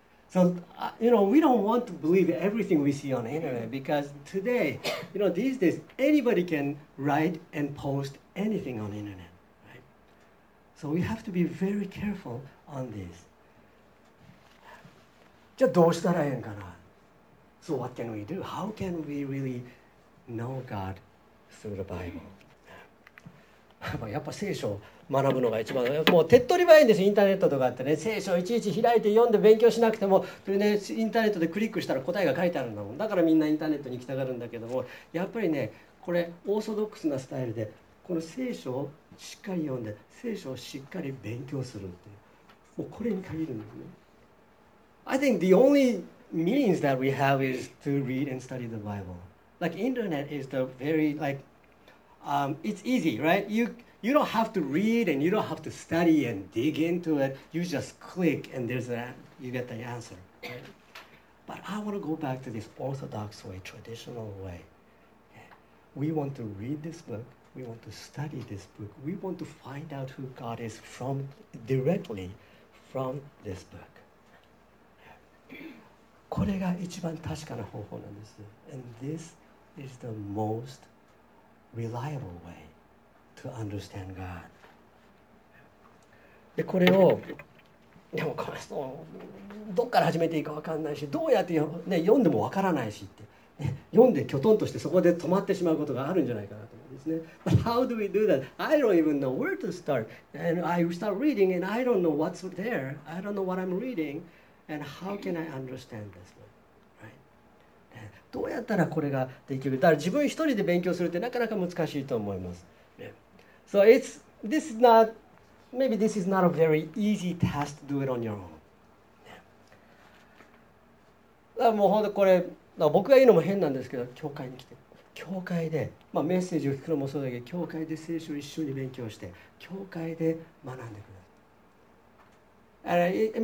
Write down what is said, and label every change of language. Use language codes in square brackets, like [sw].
[en] So, you know, we don't want to believe everything we see on the internet because today, you know, these days, anybody can write and post anything on the internet, right? So we have to be very careful on this. [ja] じゃあどうしたらいいんかな? [en] So what can we do? How can we really know God through the Bible? [ja] やっぱ聖書を学ぶのが一番、もう手っ取り早いんですよ、インターネットとかってね。聖書をいちいち開いて読んで勉強しなくても、それね、インターネットでクリックしたら答えが書いてあるんだもん。だからみんなインターネットに行きたがるんだけども、やっぱりね、これオーソドックスなスタイルで、この聖書をしっかり読んで聖書をしっかり勉強するって、もうこれに限るんですね。 [en] I think the only means that we have is to read and study the Bible. Like internet is the very likeit's easy, right? You don't have to read and you don't have to study and dig into it. You just click and there's that, you get the answer. But I want to go back to this orthodox way, traditional way. We want to read this book. We want to study this book. We want to find out who God is from directly from this book. [ja] これが一番確かな方法なんです。 [en] And this is the most reliable way to understand God. [ja] で、これをでもこの人どっから始めていいか分かんないし、どうやって、ね、読んでも分からないしって、ね、読んでキョトンとしてそこで止まってしまうことがあるんじゃないかなと思うんですね。 [en] But how do we do that? I don't even know where to start. And I start reading and I don't know what's there. I don't know what I'm reading. And how can I understand this? [ja] どうやったらこれができる。だから自分一人で勉強するってなかなか難しいと思います。 [en] Yeah. So it's this is not maybe this is not a very easy task to do it on your own. Yeah. [ja] だからもう本当これ僕が言うのも変なんですけど、教会に来て、教会で、まあ、メッセージを聞くのもそうだけど、教会で聖書を一緒に勉強して、教会で学んでください。